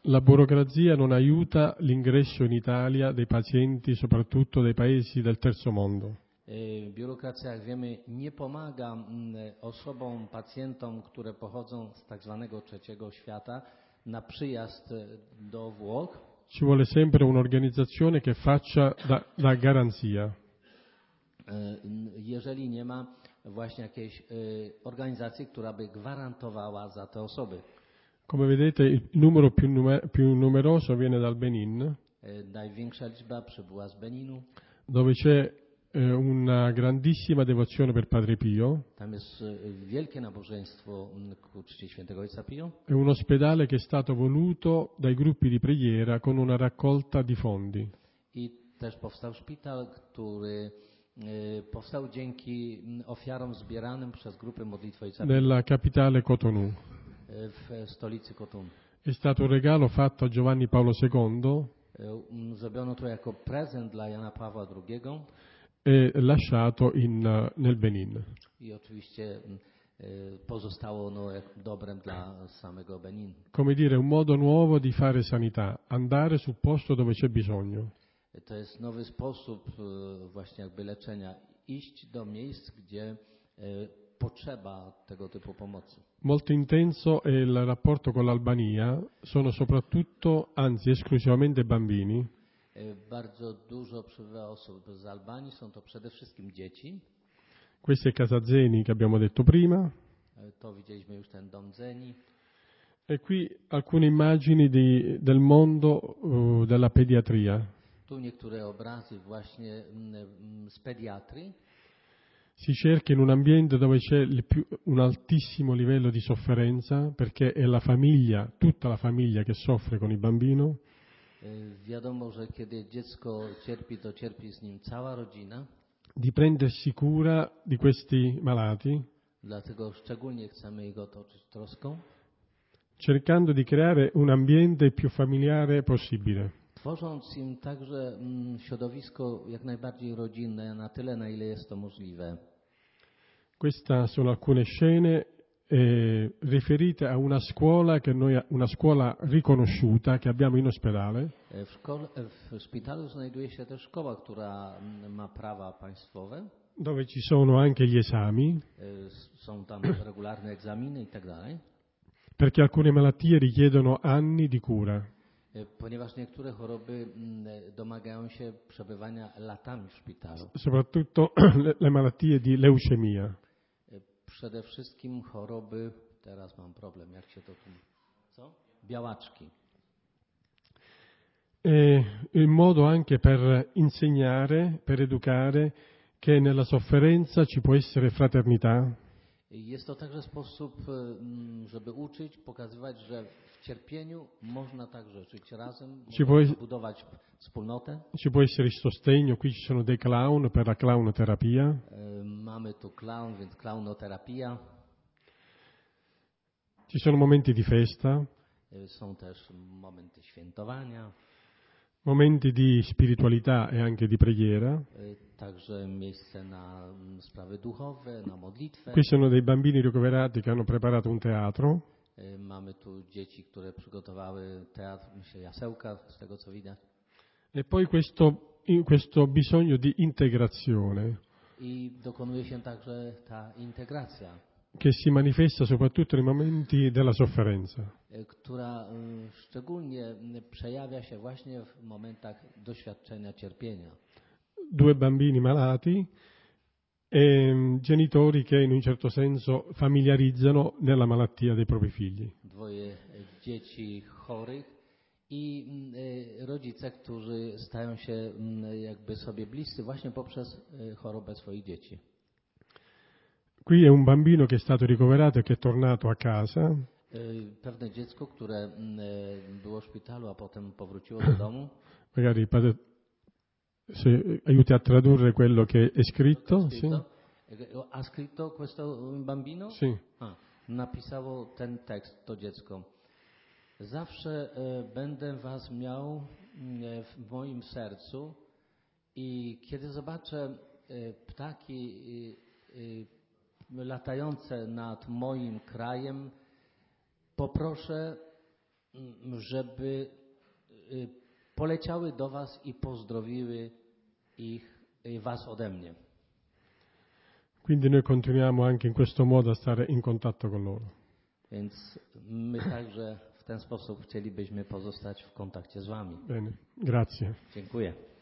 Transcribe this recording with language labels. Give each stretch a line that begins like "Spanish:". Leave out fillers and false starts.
Italian: La burocrazia non aiuta l'ingresso in Italia dei pacienti, soprattutto dei paesi del terzo mondo.
Polish: Biurokracja, jak wiemy, nie pomaga osobom, pacjentom, które pochodzą z tak zwanego trzeciego świata, na przyjazd do Włoch.
Italian: Ci vuole sempre un'organizzazione che faccia da garanzia.
Polish: Jeżeli nie ma właśnie jakiejś organizacji, która by gwarantowała za te osoby.
Italian: Come vedete, il numero più numeroso viene dal Benin.
Polish: Największa liczba przybyła z Beninu.
Italian: Dove c'è una grandissima devozione per Padre Pio.
Polish: Tam jest wielkie nabożeństwo ku czci świętego Ojca Pio.
Italian: È un ospedale che è stato voluto dai gruppi di preghiera con una raccolta di fondi.
Polish: I też powstał szpital, który powstał dzięki ofiarom zbieranym przez grupę modlitwy Ojca Pio.
Italian: Nella capitale Cotonou.
Polish: W stolicy Cotonou.
Italian: È stato un regalo fatto a Giovanni Paolo II.
Polish: Zrobiono to jako prezent dla Jana Pawła II.
Italian: E lasciato nel Benin.
Polish: I oczywiście pozostało ono dobrem dla samego Benin.
Italian: Come dire, un modo nuovo di fare sanità, andare sul posto dove c'è bisogno.
Polish: To jest nowy sposób właśnie jakby leczenia, iść do miejsc, gdzie potrzeba tego typu pomocy.
Italian: Molto intenso è il rapporto con l'Albania, sono soprattutto, anzi esclusivamente bambini.
Polish: Bardzo dużo przybywa osób z Albanii, są to przede wszystkim dzieci.
Italian: Questo è casa Zeni, che abbiamo detto prima.
Polish: To widzieliśmy już ten dom Zeni.
Italian: E qui alcune immagini del mondo della pediatria.
Polish: Tu niektóre obrazy właśnie z pediatrii.
Italian: Si cerca in un ambiente dove c'è un altissimo livello di sofferenza, perché è la famiglia, tutta la famiglia che soffre con il bambino.
Polish: Wiadomo, że kiedy dziecko cierpi, to cierpi z nim cała rodzina.
Italian: Di prendersi cura di questi malati.
Polish: Dlatego szczególnie chcemy ich otoczyć troską.
Italian: Cercando di creare un ambiente più familiare possibile.
Polish: Tworząc im także środowisko jak najbardziej rodzinne, na tyle, na ile jest to możliwe.
Italian: Queste sono alcune scene riferite a una scuola che noi una scuola riconosciuta che abbiamo in ospedale.
Polish: W szpitalu znajduje się też szkoła, która ma prawa państwowe.
Italian: Dove ci sono anche gli esami.
Polish: Są tam regularne egzaminy i tak dalej.
Italian: Perché alcune malattie richiedono anni di cura.
Polish: Ponieważ niektóre choroby domagają się przebywania latami w szpitalu.
Italian: Soprattutto le malattie di leucemia.
Polish: Przede wszystkim choroby, teraz mam problem, jak się to tu, co? Białaczki.
Italian: Il modo anche per insegnare, per educare, che nella sofferenza ci può essere fraternità.
Polish: Jest to także sposób, żeby uczyć, pokazywać, że w cierpieniu można także żyć razem, budować wspólnotę.
Italian: Ci può essere il sostegno, qui ci sono dei clown per la clownoterapia.
Polish: Mamy tu clown, więc clownoterapia.
Italian: Ci sono momenti di festa.
Polish: Są też momenty świętowania.
Italian: Momenti di spiritualità e anche di preghiera.
Polish: Także miejsce na sprawy duchowe, na modlitwę.
Italian: Qui sono dei bambini ricoverati che hanno preparato un teatro.
Polish: Mamy tu dzieci, które przygotowały teatr, myślę, jasełka, z tego co widać.
Italian: E poi questo bisogno di integrazione.
Polish: I dokonuje się także ta integracja.
Italian: Che si manifesta soprattutto nei momenti della sofferenza.
Polish: Która szczególnie przejawia się właśnie w momentach doświadczenia cierpienia.
Italian: Due bambini malati e genitori che in un certo senso familiarizzano nella malattia dei propri figli.
Polish: Dwoje dzieci chorych i rodzice, którzy stają się jakby sobie bliscy właśnie poprzez chorobę swoich dzieci.
Italian: Qui è un bambino che è stato ricoverato e che è tornato a casa.
Polish: Pewne dziecko, które było w szpitalu, a potem powróciło do domu.
Italian: Magari padre, se aiuti a tradurre quello che è scritto. Scritto. Sì. Ha scritto questo bambino? Sì.
Polish: Napisało ten tekst to dziecko. Zawsze będę was miał w moim sercu i kiedy zobaczę ptaki latające nad moim krajem, poproszę żeby poleciały do was i pozdrowiły ich i was ode mnie.
Italian: Quindi noi continuiamo anche in questo modo a stare in contatto con loro.
Polish: Więc my także w ten sposób chcielibyśmy pozostać w kontakcie z wami.
Italian: Bene, grazie.
Polish: Dziękuję.